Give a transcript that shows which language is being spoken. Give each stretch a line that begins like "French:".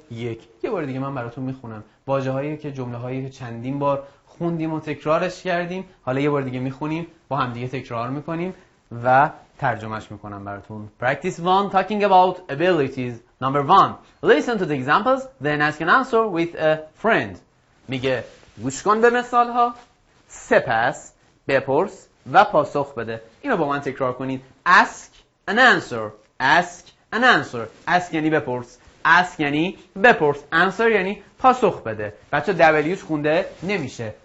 Persian: یه بار دیگه من براتون میخونم واژه هایی که جمله هایی که چندین بار خوندیم و تکرارش کردیم، حالا یه بار دیگه میخونیم با هم دیگه تکرار میکنیم و ترجمهش میکنم براتون.
English: Practice 1 talking about abilities. Number 1. Listen to the examples then ask an answer with a friend.
Persian: میگه گوش کن به مثال ها سپس بپرس و پاسخ بده. اینو با من تکرار کنید.
English: Ask an answer. Ask An answer.
Persian: Ask یعنی بپرس. Ask یعنی بپرس. Answer یعنی پاسخ بده. بچه W's خونده نمیشه.